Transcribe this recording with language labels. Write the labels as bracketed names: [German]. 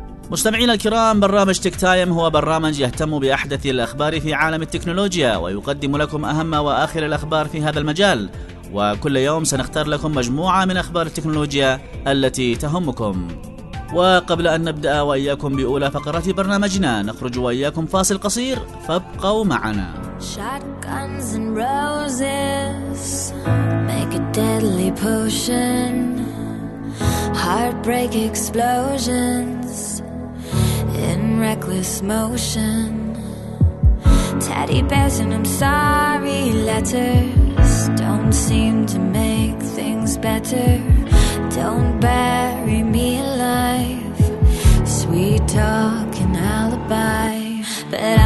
[Arabic] مستمعينا الكرام، برنامج تك تايم هو برنامج يهتم بأحدث الأخبار في عالم التكنولوجيا ويقدم لكم أهم وآخر الأخبار في هذا المجال، وكل يوم سنختار لكم مجموعة من أخبار التكنولوجيا التي تهمكم. وقبل أن نبدأ وإياكم بأولى فقرات برنامجنا، نخرج وإياكم فاصل قصير، فابقوا معنا. [English] Shotguns and roses make a deadly potion. Heartbreak explosions in reckless motion. Teddy bears and I'm sorry letters don't seem to make things better. Don't bury me alive. Sweet talk and alibi, but